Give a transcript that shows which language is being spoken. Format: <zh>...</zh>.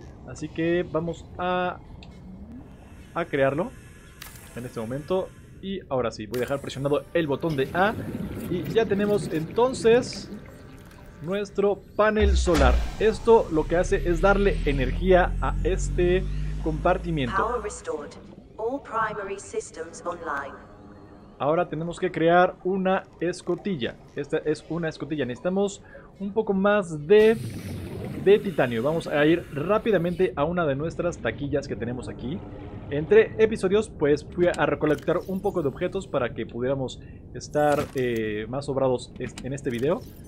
<es>Así que vamos a crearlo en este momento. Y ahora sí, voy a dejar presionado el botón de A. Y ya tenemos entonces nuestro panel solar. Esto lo que hace es darle energía a este compartimiento.</es> <en>Power restored. All primary systems online.</en> <es>Ahora tenemos que crear una escotilla. Esta es una escotilla. Necesitamos un poco más de titanio. Vamos a ir rápidamente a una de nuestras taquillas que tenemos aquí. Entre episodios, pues fui a recolectar un poco de objetos para que pudiéramos estar más sobrados en este video.</es>